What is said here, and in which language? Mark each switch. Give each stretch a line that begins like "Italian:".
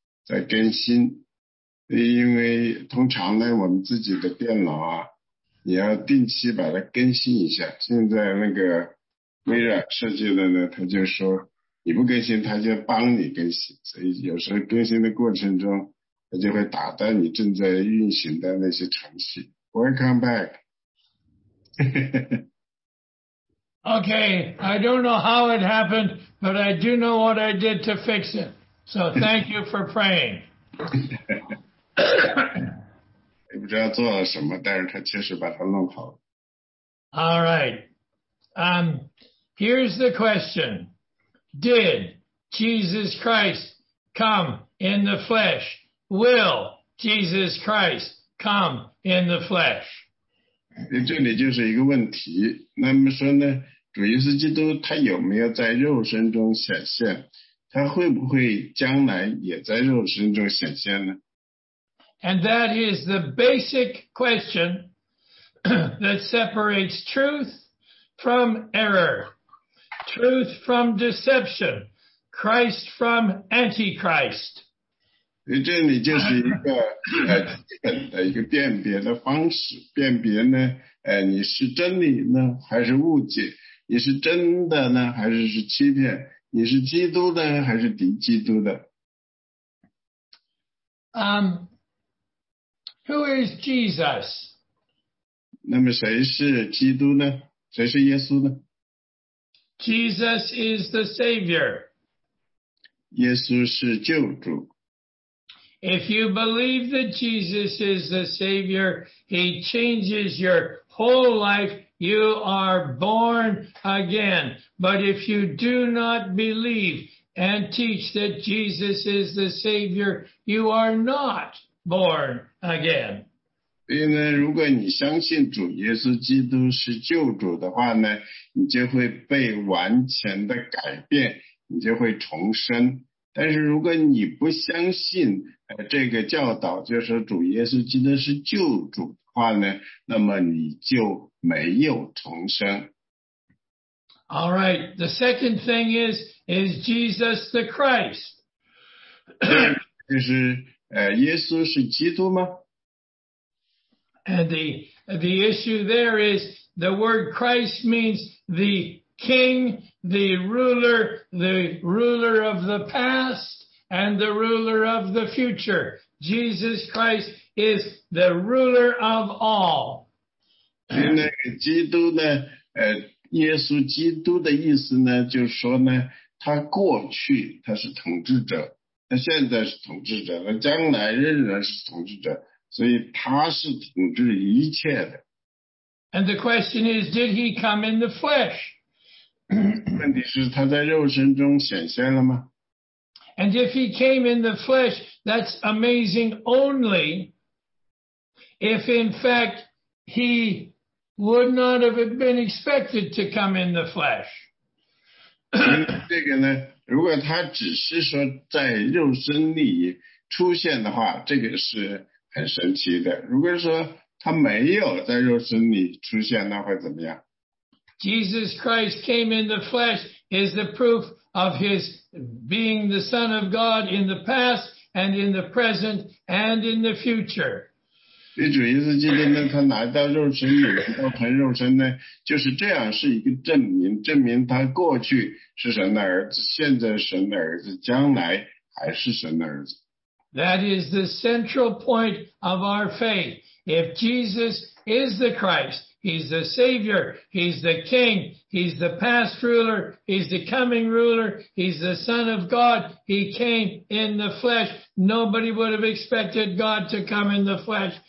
Chinese: 在更新，因为通常呢，我们自己的电脑啊，你要定期把它更新一下。现在那个微软设计的呢，他就说你不更新，他就帮你更新。所以有时候更新的过程中，他就会打断你正在运行的那些程序。
English: Welcome back. Okay, I don't know how it happened, but I do know what I did to fix it. So thank you for praying.
Chinese: 也不知道做了什么，但是他确实把它弄好了。
English: All right. Here's the question. Did Jesus Christ come in the flesh? Will Jesus Christ come in the flesh?
Chinese: 这里就是一个问题。那么说呢，主耶稣基督他有没有在肉身中显现？他会不会将来也在肉身中显现呢？
English: And that is the basic question that separates truth from error, truth from deception, Christ from Antichrist.
Chinese: 这里就是一个基本的一个辨别的方式，辨别呢，你是真理呢，还是误解？你是真的呢，还是是欺骗？你是基督的还是敌基督的？
English: Who is Jesus?
Chinese: 那么谁是基督呢？谁是耶稣呢？
English: Jesus is the Savior.
Chinese: 耶稣是救主。
English: If you believe that Jesus is the Savior, he changes your whole life. You are born again. But if you do not believe and teach that Jesus is the Savior, you are not born again.
Chinese: 所以呢，如果你相信主耶稣基督是救主的话呢，你就会被完全的改变，你就会重生。但是如果你不相信这个教导，就是主耶稣基督是救主的话呢，那么你就没有重生。
English: All right, the second thing is Jesus the Christ.
Chinese: 就是耶稣是基督吗？
English: And the issue there is the word Christ means the king, the ruler of the past and the ruler of the future. Jesus Christ is the ruler of all.
Chinese: 那个基督呢，耶稣基督的意思呢，就是说呢，他过去他是统治者，他现在是统治者，他将来仍然是统治者，所以他是统治一切的。
English: And the question is, did he come in the flesh?
Chinese: 问题是他在肉身中显现了吗？
English: And if he came in the flesh, that's amazing only if in fact he would not have been expected to come in the flesh.
Chinese: 这个呢，如果他只是说在肉身里出现的话，这个是很神奇的。如果说他没有在肉身里出现，那会怎么样？
English: Jesus Christ came in the flesh is the proof of his being the Son of God in the past and in the present and in the future.
Chinese: 所以主耶稣基督呢，他来到肉身里，到神肉身呢，就是这样，是一个证明，证明他过去是神的儿子，现在神的儿子，将来还是神的儿子。
English: That is the central point of our faith. If Jesus is the Christ, he's the Savior, he's the King, he's the past ruler, he's the coming ruler, he's the Son of God, he came in the flesh. Nobody would have expected God to come in the flesh.